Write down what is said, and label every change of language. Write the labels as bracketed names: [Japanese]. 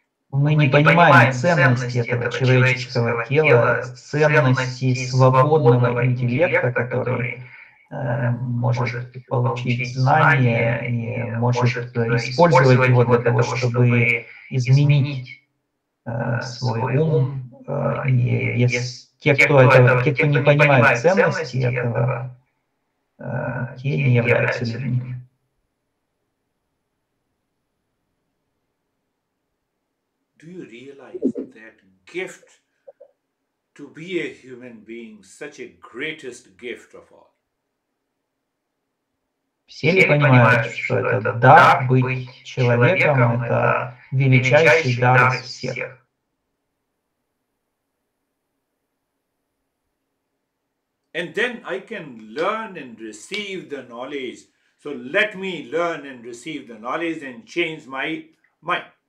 [Russian] Мы не понимаем ценности этого человеческого тела, ценности свободного интеллекта, который может получить знания и может использовать его для того, чтобы изменить свой ум. И есть те, кто не понимает ценности этого, те не являются людьми. [English] Do you realize that gift to be a human being such a greatest gift of all? [Russian] Все ли понимают, что это дар быть человеком, это величайший дар из всех? [English] And then I can learn and receive the knowledge. So let me learn and receive the knowledge and change my mind.